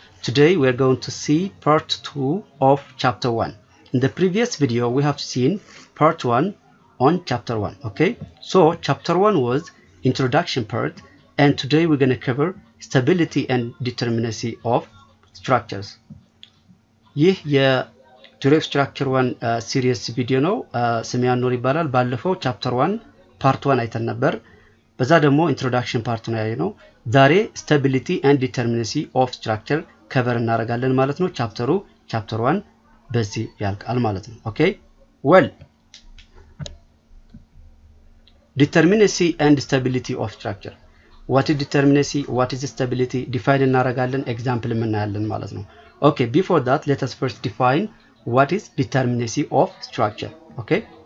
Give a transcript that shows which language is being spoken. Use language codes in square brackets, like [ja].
[en] Today we are going to see part 2 of chapter 1. In the previous video we have seen part 1 on chapter 1. Okay, so chapter 1 was introduction part, and today we're going to cover stability and determinacy of structures. [am] ይህ የ [en] theory of structure 1 series video [am] ነው። ስሜ አኑር ይባላል። ባለፈው chapter 1 part 1 አይተን ነበር። በዛ ደግሞ introduction part ነው። ዛሬ [en] stability and determinacy of structure [am] cover እናረጋለን ማለት ነው። chapter 2 chapter 1 በዚህ ያልቃል ማለት ነው። Okay? [en] Well, determinacy and stability of structure. What is determinacy? What is stability? Define [am] እናረጋለን, [en] example [am] እናያለን ማለት ነው። [en] Okay, before that, let us first define what is determinacy of structure. Okay?